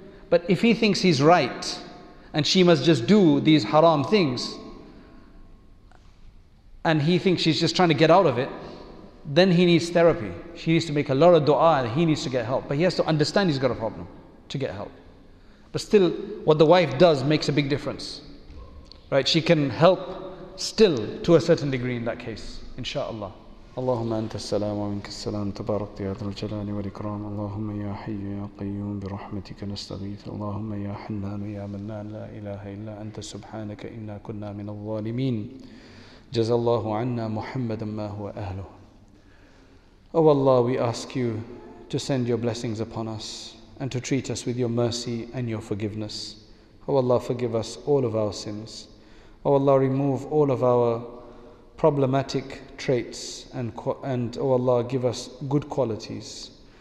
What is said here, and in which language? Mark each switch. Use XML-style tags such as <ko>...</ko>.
<en>But if he thinks he's right and she must just do these haram things, and he thinks she's just trying to get out of it, then he needs therapy. She needs to make a lot of dua and he needs to get help. But he has to understand he's got a problem to get help. But still, what the wife does makes a big difference. Right? She can help still to a certain degree in that case, inshallah.</en> <ar>اللهم أنت السلام ومنك السلام تبارك يا ذا الجلال والإكرام اللهم يا حي يا قيوم برحمتك نستغيث اللهم يا حنان يا منان لا إله إلا أنت سبحانك إنا كنا من الظالمين جزى الله عنا محمدا ما هو أهله.</ar> <en>Oh Allah, we ask you to send your blessings upon us and to treat us with your mercy and your forgiveness. Oh Allah, forgive us all of our sins. Oh Allah, remove all of our problematic traits, and oh Allah, give us good qualities.</en>